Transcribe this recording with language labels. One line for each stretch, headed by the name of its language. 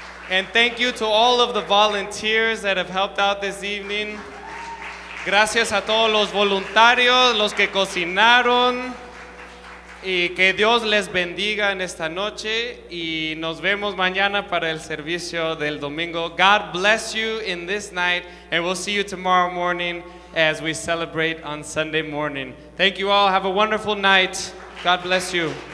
English: And thank you to all of the volunteers that have helped out this evening.
Spanish: Gracias a todos los voluntarios, los que cocinaron. Y que Dios les bendiga en esta noche. Y nos vemos mañana para el servicio del domingo.
English: God bless you in this night. And we'll see you tomorrow morning as we celebrate on Sunday morning. Thank you all. Have a wonderful night. God bless you.